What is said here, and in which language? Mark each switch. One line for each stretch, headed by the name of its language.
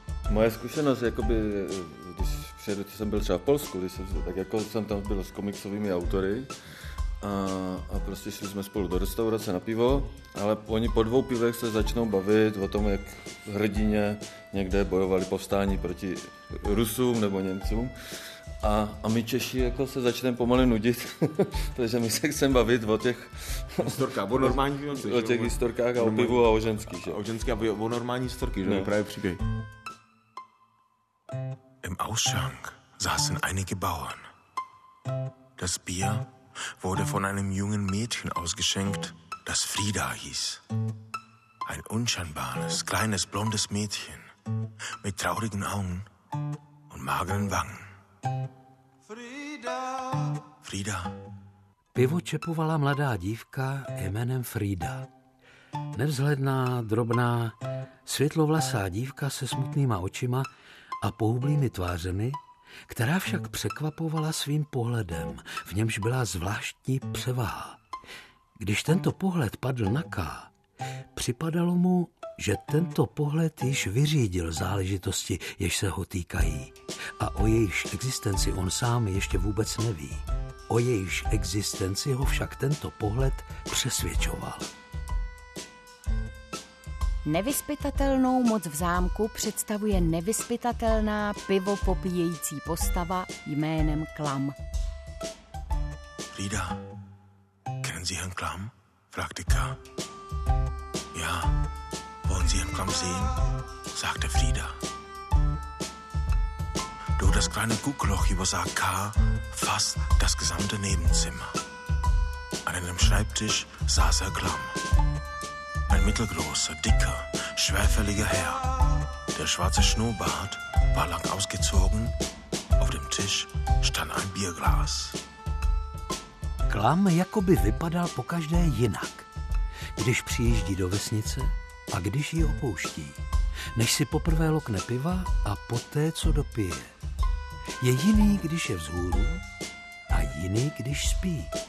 Czech: Moje zkušenost, jakoby, když přijedu, jsem byl třeba v Polsku, když jsem, tak jako jsem tam byl s komiksovými autory a prostě šli jsme spolu do restaurace na pivo, ale oni po dvou pivech se začnou bavit o tom, jak hrdině někde bojovali povstání proti Rusům nebo Němcům a my Češi jako se začneme pomalu nudit, takže my se chceme bavit o těch historkách, o normální věci, o těch historkách a o pivu a o ženských. O ženských a o normální historky, že právě příběh.
German: Im Ausschank saßen einige Bauern. Das Bier wurde von einem jungen Mädchen ausgeschenkt, das Frieda hieß. Ein unscheinbares, kleines, blondes Mädchen mit traurigen Augen und mageren Wangen. Frieda! Frieda!
Czech: Pivo čepovala mladá dívka jménem Frieda. Nevzhledná, drobná, světlovlasá dívka se smutnýma očima a pohublými tvářemi, která však překvapovala svým pohledem, v němž byla zvláštní převaha. Když tento pohled padl na K, připadalo mu, že tento pohled již vyřídil záležitosti, jež se ho týkají, a o jejíž existenci on sám ještě vůbec neví. O jejíž existenci ho však tento pohled přesvědčoval. Nevyspytatelnou moc v zámku představuje nevyspytatelná pivo popíjející postava jménem Klam.
German: Frieda, kennen Sie Herrn Klam? Fragte K. Ja, wollen Sie Herrn Klam sehen? Sagte Frieda. Durch das kleine Guckloch übersah K fast das gesamte Nebenzimmer. An einem Schreibtisch saß Herr Klam. Ein mittelgroßer, dicker, schwerfälliger Herr. Der schwarze Schnurrbart war lang ausgezogen. Auf dem Tisch stand ein Bierglas.
Czech: Klam jakoby vypadal pokaždé jinak, když přijíždí do vesnice a když ji opouští, než si poprvé lokne piva a poté, co dopije. Je jiný, když je vzhůru a jiný, když spí.